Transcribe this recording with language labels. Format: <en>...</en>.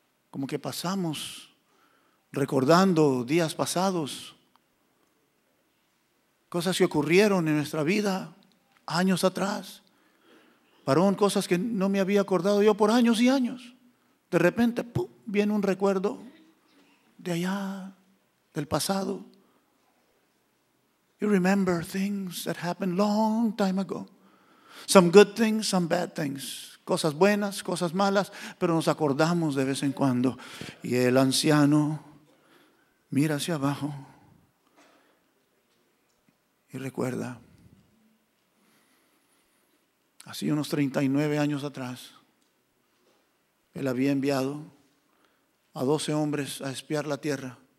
<es>Como que pasamos recordando días pasados, cosas que ocurrieron en nuestra vida años atrás. Varón, cosas que no me había acordado yo por años y años. De repente, ¡pum!, viene un recuerdo de allá, del pasado.</es> <en>You remember things that happened long time ago. Some good things, some bad things.</en> <es>Cosas buenas, cosas malas, pero nos acordamos de vez en cuando. Y el anciano mira hacia abajo y recuerda. Así unos 39 años atrás, él había enviado a 12 hombres a espiar la tierra.</es>